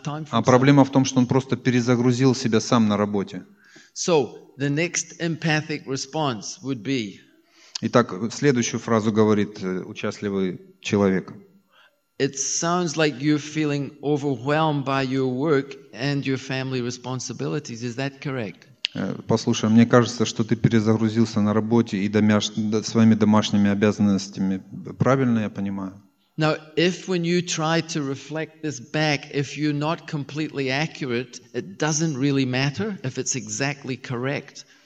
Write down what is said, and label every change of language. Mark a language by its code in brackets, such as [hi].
[ru] А проблема в том, что он просто перезагрузил себя сам на работе. [en] So, the next empathic response would be, [ru] итак, следующую фразу говорит участливый человек. [en] It sounds like you're feeling overwhelmed by your work and your family responsibilities. Is that correct? [ru] Послушай, мне кажется, что ты перезагрузился на работе и своими домашними обязанностями. Правильно я понимаю? [en] Now, if when you try to reflect this back, if you're not completely accurate, it doesn't really matter if it's exactly correct.